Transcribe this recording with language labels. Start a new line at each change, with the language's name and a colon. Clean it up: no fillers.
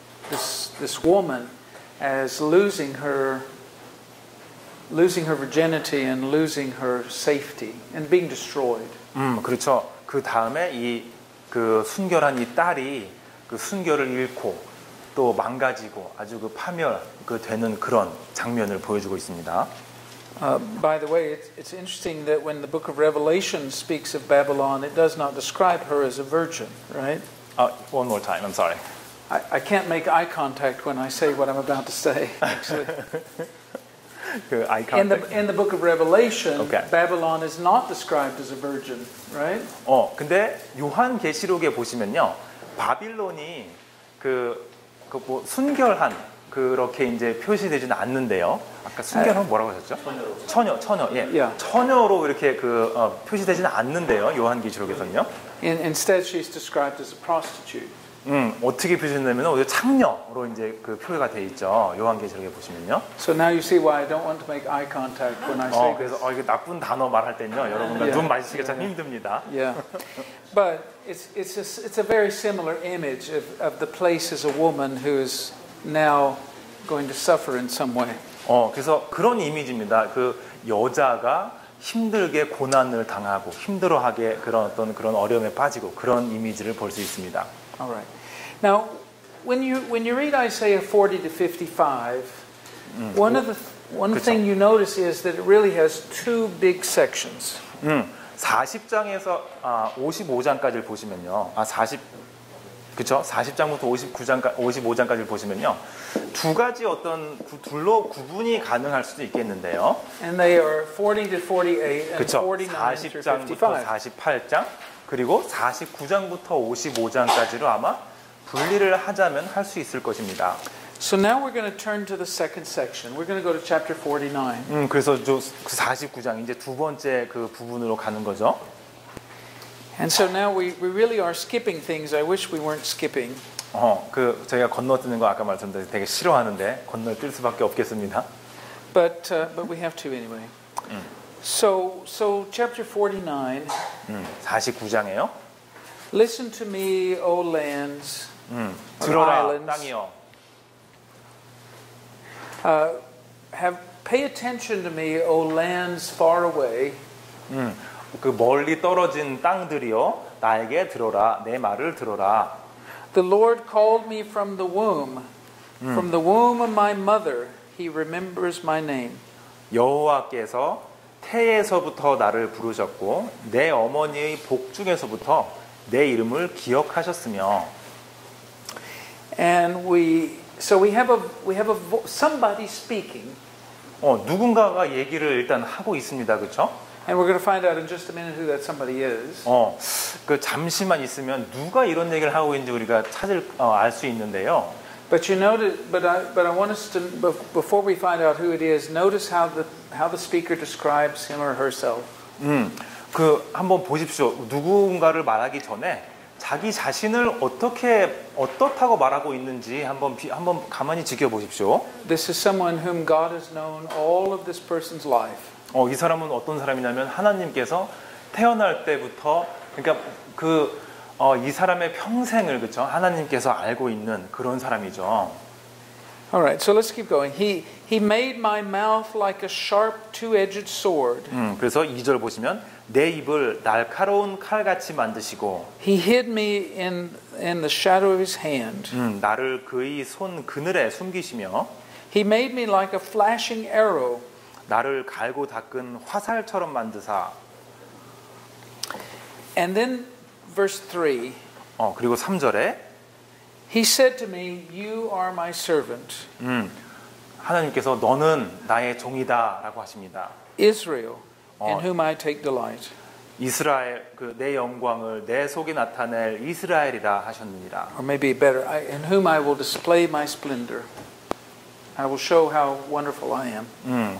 English: this woman as losing her virginity and losing her safety and being destroyed.
Korean: 그렇죠. 그 다음에 이 그 순결한 이 딸이 그 순결을 잃고 또 망가지고 아주 그 파멸 그 되는 그런 장면을 보여주고 있습니다.
English: By the way, it's interesting that when the book of Revelation speaks of Babylon, it does not describe her as a virgin, right? One more time. I'm sorry. I can't make eye contact when I say what I'm about to say. Actually. 그 In the book of Revelation, okay. Babylon is not described as a virgin, right?
Korean: 근데 요한 계시록에 보시면요, 바빌론이 그 순결한 그렇게 이제 표시되지는 않는데요. 아까 순결은 뭐라고 하셨죠? 처녀. 예. Yeah. 처녀로 이렇게 그 표시되지는 않는데요. 요한 계시록에서는요.
English: Instead, she's described as a prostitute.
Korean: 어떻게 표시되냐면 오히려 창녀로 이제 그 표기가 돼 있죠. 요한계시록에 보시면요.
English: So now you see why I don't want to make eye contact when I say.
Korean: 그래서 이게 나쁜 단어 말할 때는요. 여러분과 눈 마주치기가 참 힘듭니다.
English: Yeah. But it's a very similar image of the place as a woman who is now going to suffer in some way.
Korean: 그래서 그런 이미지입니다. 그 여자가 힘들게 고난을 당하고 힘들어하게 그런 어떤 그런 어려움에 빠지고 그런 이미지를 볼 수 있습니다.
English: All right. Now, when you read Isaiah 40 to 55, one thing you notice is that it really has two big sections.
Korean: 40장에서 55장까지를 보시면요. 55장까지 보시면요. 두 가지 어떤 둘로 구분이 가능할 수도 있겠는데요.
English: And they are 40 to 48 and
Korean: 그쵸?
English: 49 to 55.
Korean: 40장부터 48장. 그리고 49장부터 55장까지로 아마 분리를 하자면 할 수 있을 것입니다.
English: So now we're going to turn to the second section. We're going to go to chapter 49.
Korean: 그래서 그 49장 이제 두 번째 그 부분으로 가는 거죠.
English: And so now we really are skipping things. I wish we weren't skipping.
Korean: 그 제가 건너뛰는 거 아까 말씀드렸는데 되게 싫어하는데 건너뛸 수밖에 없겠습니다.
English: But we have to anyway. So chapter 49.
Korean: 49장에요.
English: Listen to me, O lands.
Korean: 들어라, 땅이요.
English: Pay attention to me, O lands far away.
Korean: 그 멀리 떨어진 땅들이여, 나에게 들어라, 내 말을 들어라.
English: The Lord called me from the womb. From the womb of my mother, he remembers my name.
Korean: 여호와께서 태에서부터 나를 부르셨고 내 어머니의 복중에서부터 내 이름을 기억하셨으며.
English: And we have somebody speaking.
Korean: 누군가가 얘기를 일단 하고 있습니다, 그렇죠?
English: And we're going to find out in just a minute who that somebody is.
Korean: 그 잠시만 있으면 누가 이런 얘기를 하고 있는지 우리가 찾을 알 수 있는데요.
English: But you notice, but I want us to before we find out who it is, notice how the speaker describes him or herself.
Korean: 그 한번 보십시오. 누군가를 말하기 전에 자기 자신을 어떻다고 말하고 있는지 한번 가만히 지켜보십시오.
English: This is someone whom God has known all of this person's life.
Korean: 이 사람은 어떤 사람이냐면 하나님께서 태어날 때부터 그러니까 그 이 사람의 평생을 그쵸? 하나님께서 알고 있는 그런 사람이죠.
English: All right, so let's keep going. He made my mouth like a sharp two-edged sword.
Korean: 그래서 2절 보시면 내 입을 날카로운 칼같이 만드시고
English: He hid me in the shadow of his hand.
Korean: 나를 그의 손 그늘에 숨기시며
English: He made me like a flashing arrow.
Korean: 나를 갈고 닦은 화살처럼 만드사
English: And then Verse 3.
Korean: 그리고 3절에
English: He said to me, "You are my servant."
Korean: 하나님께서 너는 나의 종이다라고 하십니다.
English: Israel, in whom I take delight.
Korean: 이스라엘 그 내 영광을 내 속에 나타낼 이스라엘이라 하셨느니라.
English: Or maybe better, in whom I will display my splendor. I will show how wonderful I am.